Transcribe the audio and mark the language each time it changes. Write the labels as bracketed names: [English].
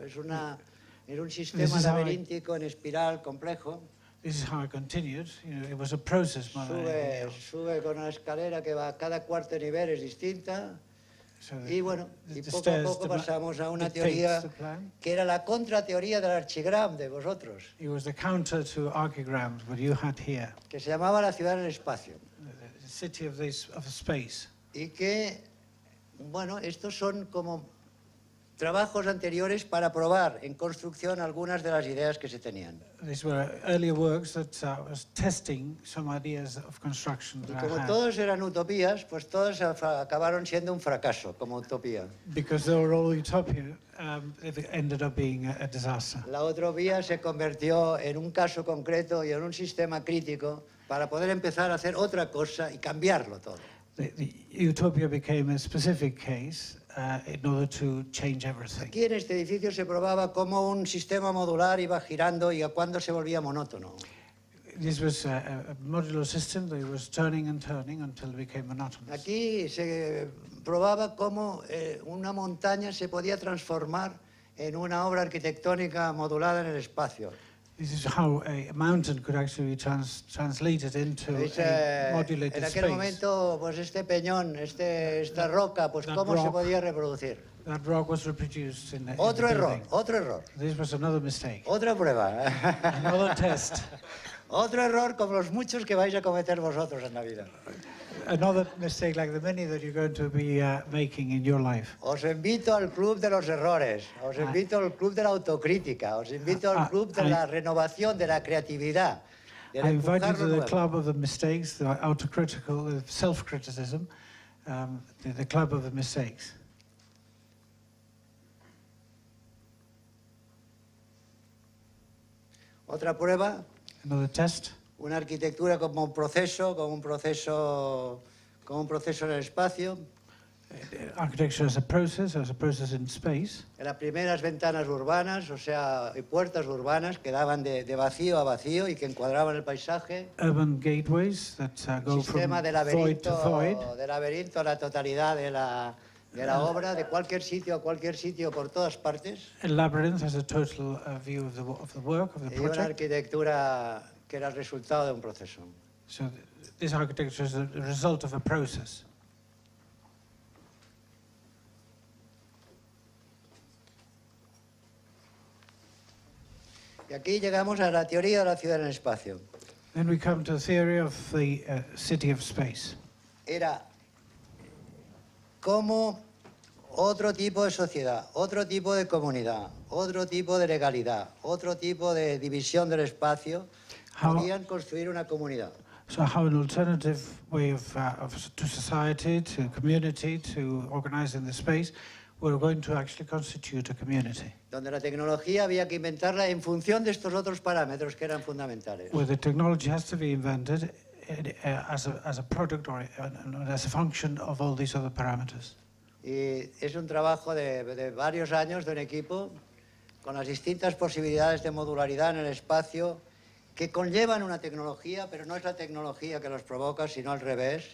[Spanish] Es una. Era un sistema laberíntico en espiral complejo. [English] This is how I continued. You know, it was a process, my [Spanish] sube con una escalera que va a cada cuarto nivel es distinta. So y bueno, poco a poco pasamos a una teoría que era la contrateoría del archigram de vosotros. [English] It was the counter to archigram, what you had here. [Spanish] Que se llamaba la ciudad en espacio. [English] The city of this, of space. [Spanish] Y que, bueno, estos son como trabajos anteriores para probar en construcción algunas de las ideas que se tenían. [English] These were earlier works that was testing some ideas of construction. [Spanish] Y como todos eran utopías, pues todos acabaron siendo un fracaso como utopía. [English] Because they were all utopia, it ended up being a disaster. [Spanish] La utopía se convirtió en un caso concreto y en un sistema crítico para poder empezar a hacer otra cosa y cambiarlo todo. [English] The utopia became a specific case. In order to change everything. [Spanish] Aquí en este edificio se probaba cómo un sistema modular iba girando y a cuándo se volvía monótono. [English] This was a modular system that was turning and turning until it became monotonous. [Spanish] Aquí se probaba cómo una montaña se podía transformar en una obra arquitectónica modulada en el espacio. [English] This is how a mountain could actually be translated into a modulated space. [Spanish] En aquel momento, pues este peñón, esta roca, pues cómo se podía reproducir. [English] That rock was reproduced in the building. [Spanish] Otro error, otro error. [English] This was another mistake. [Spanish] Otra prueba. [English] Another test. [Spanish] Otro error como los muchos que vais a cometer vosotros en la vida. [English] Another mistake like the many that you're going to be making in your life. [Spanish] Os invito al club de los errores. Os invito al club de la autocrítica. Os invito al club de la renovación, de la creatividad. [English] I invite you to the club of the mistakes, the autocritical, the self-criticism, the club of the mistakes. [Spanish] Otra prueba. [English] Another test. [Spanish] Una arquitectura como un proceso, como un proceso, como un proceso en el espacio. [English] Architecture as a process in space. [Spanish] En las primeras ventanas urbanas, o sea, y puertas urbanas que daban de vacío a vacío y que encuadraban el paisaje. [English] Urban gateways that go [Spanish] sistema [English] from [Spanish] de [English] void to void. [Spanish] De laberinto a la totalidad de la. De la obra, de cualquier sitio, por todas partes. [English] A labyrinth has a total view of the work, of the project. [Spanish] Y una arquitectura que era el resultado de un proceso. [English] So this architecture is the result of a process. [Spanish] Y aquí llegamos a la teoría de la ciudad en espacio. [English] Then we come to the theory of the city of space. [Spanish] Era cómo otro tipo de sociedad, otro tipo de comunidad, otro tipo de legalidad, otro tipo de división del espacio, podían construir una comunidad. [English] So how an alternative way of to society, to community, to organizing the space, we're going to actually constitute a community. [Spanish] Donde la tecnología había que inventarla en función de estos otros parámetros que eran fundamentales. [English] Where the technology has to be invented as a product or as a function of all these other parameters. [Spanish] Y es un trabajo de varios años de un equipo con las distintas posibilidades de modularidad en el espacio que conllevan una tecnología, pero no es la tecnología que los provoca, sino al revés.